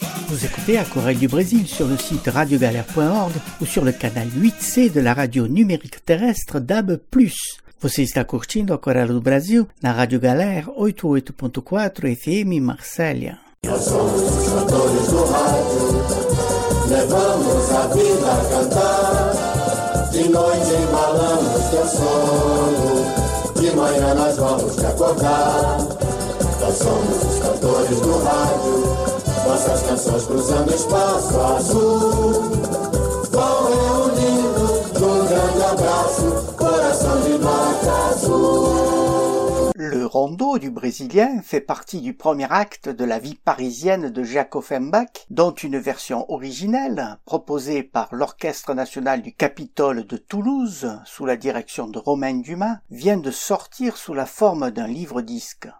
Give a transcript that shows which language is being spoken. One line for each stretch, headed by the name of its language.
French: nous écouter à Corée du Brésil sur le site radiogalère.org ou sur le canal 8C de la radio numérique terrestre DAB+.
Portuguese: Você está curtindo a Corée do Brasil na Rádio Galère 88.4 FM Marsella. Levamos a vida a cantar, de noite embalamos teu sonho, de manhã nós vamos te acordar. Nós somos os cantores do rádio, nossas canções cruzando espaço azul, vão reunindo num grande abraço, coração de vaca azul.
French: Le rondo du brésilien fait partie du premier acte de la vie parisienne de Jacques Offenbach, dont une version originelle, proposée par l'Orchestre national du Capitole de Toulouse, sous la direction de Romain Dumas, vient de sortir sous la forme d'un livre-disque.